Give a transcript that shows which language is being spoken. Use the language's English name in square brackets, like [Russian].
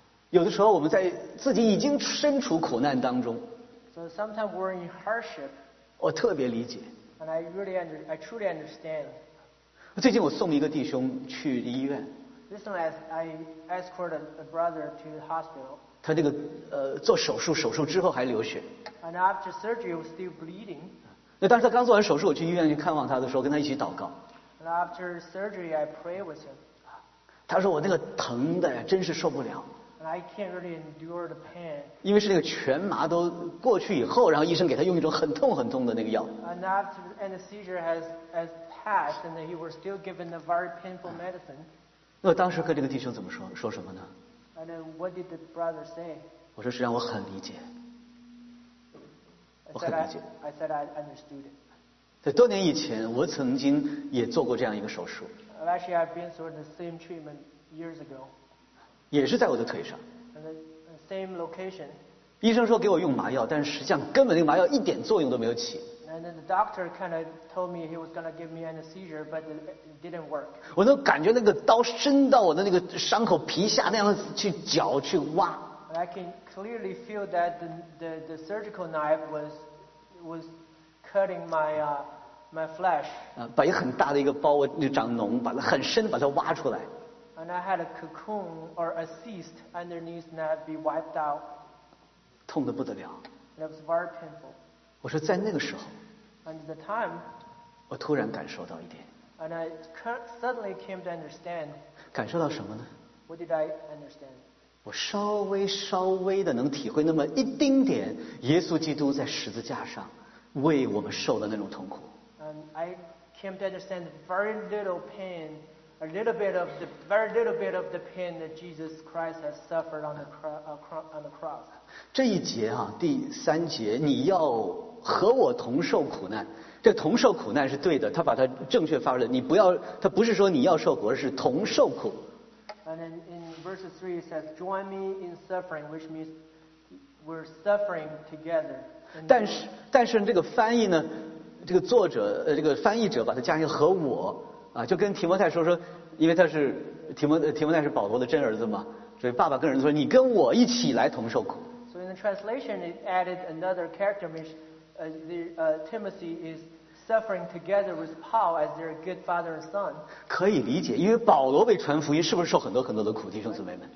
[Chinese] 有的时候我们在自己已经身处苦难当中。 [English] So sometimes we're in hardship. [Chinese] 我特别理解。 [English] And I truly understand. [Chinese] 最近我送一个弟兄去医院。 [English] This time I escorted a brother to the hospital. [Chinese] 他这个做手术，手术之后还流血。 [English] And after surgery, he was still bleeding. [Chinese] 那当时他刚做完手术，我去医院去看望他的时候，跟他一起祷告。 [English] And after surgery, I pray with him. [Chinese] 他说我那个疼的呀，真是受不了。 [English] And I can't really endure the pain. [Chinese] 因为是那个全麻都过去以后，然后医生给他用一种很痛很痛的那个药。 [English] And after anesthesia has passed, and he was still given a very painful medicine. [Chinese] 那当时和这个弟兄怎么说？说什么呢 [English] ？And what did the brother say? [Chinese] 我说是让我很理解，我很理解。 [English] I said I understood. [Chinese] 在多年以前，我曾经也做过这样一个手术。 [English] Actually, I've been through the same treatment years ago. [Chinese] 也是在我的腿上。 [English] And the same location. [Chinese] 医生说给我用麻药，但实际上根本那个麻药一点作用都没有起。 [English] And then the doctor kind of told me he was going to give me an anesthesia, but it didn't work. [Chinese] 我都感觉那个刀伸到我的那个伤口皮下那样去绞去挖。 [English] And I can clearly feel that the surgical knife was cutting my flesh. [Chinese] 把一个很大的一个包，我就长脓，把它很深把它挖出来。 [English] And I had a cocoon or a cyst underneath that be wiped out. [Chinese] 痛得不得了。 [English] And it was very painful. [Chinese] 我说在那个时候 [English] and the time, [Chinese] 我突然感受到一点 [English] and I suddenly came to understand, [Chinese] 感受到什么呢 [English] what did I understand? [Chinese] 我稍微稍微的能体会那么一丁点耶稣基督在十字架上为我们受的那种痛苦 [English] and I came to understand very little pain a little bit of the very little bit of the pain that Jesus Christ has suffered on the cross [Chinese] 这一节啊第三节你要和我同受苦难这同受苦难是对的他把它正确发出来你不要他不是说你要受苦而是同受苦 [English] and then in verse 3 it says join me in suffering which means we're suffering together [Chinese] 但是这个翻译呢这个作者这个翻译者把它加上和我啊就跟提摩太说因为他是提摩太是保罗的真儿子嘛所以爸爸跟人说你跟我一起来同受苦 [English] so in the translation it added another character which Timothy is suffering together with Paul as their good father and son [Chinese] 可以理解因为保罗被传福音是不是受很多很多的苦弟兄姊妹们